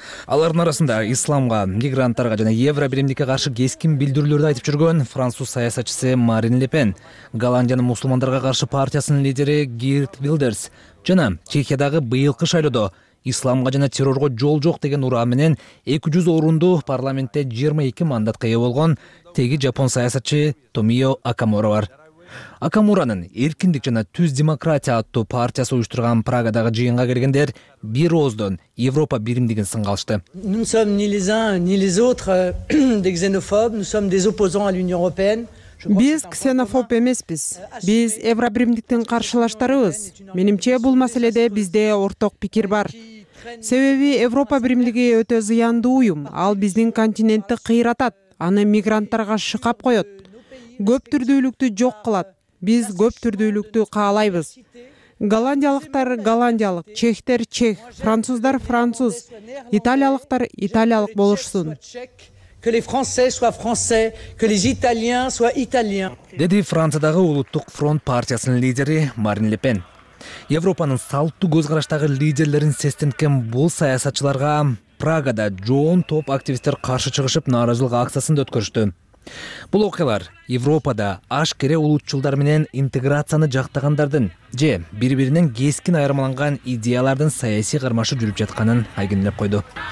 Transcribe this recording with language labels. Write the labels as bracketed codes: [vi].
[ky] Алардын арасында исламга, мигранттарга жана евро биримдикке каршы кескин билдирүүлөрдү айтып жүргөн француз саясатчысы Марин Ле Пен, Голландиянын мусулмандарга каршы партиясынын лидери Гирт Вилдерс жана Чехиядагы быйылкы шайлоодо исламга жана террорго жол жок деген ураа менен 200 орунду парламентте 22 мандатка ээ болгон теги жапон саясатчы Томио Акамура бар. Акамуранын Эркиндик жана Түз демократия аттуу партиясы уюштурган Прагадагы жыйынга келгендер бир ооздон Европа биримдигин сынга алышты. [fr] Nous sommes ni les uns ni les autres des xénophobes, nous sommes des opposants à l'Union européenne. [ky] Биз ксенофоб эмеспиз. Биз евробиримдиктин каршылаштарыбыз. Менимче бул маселеде бизде ортак пикир бар. Себеби Европа биримдиги өтө зыяндуу уюм. Ал биздин континентти кыйратат, аны мигранттарга шыкап коёт. Көп түрдүүлүктү жок кылат. Биз көп түрдүүлүктү каалайбыз. Голландиялыктар голландиялык, чехтер чех, француздар француз, италиялыктар италиялык болушсун. [fr] Que les Français soient français, que les Italiens soient italiens. [ky] Деди Франциядагы улуттук фронт партиясынын лидери Марин Ле Пен. Европанын салттуу көз караштагы лидерлерин сестенткен бул саясатчыларга Прагада жоон топ активисттер каршы чыгышып нааразылык акциясын өткөрүштү. Бул окуялар Европада ашкере улутчулдар менен интеграцияны жактагандардын же бири-биринен кескин айырмаланган идеялардын саясий кармашы жүрүп жатканын айгинлеп койду.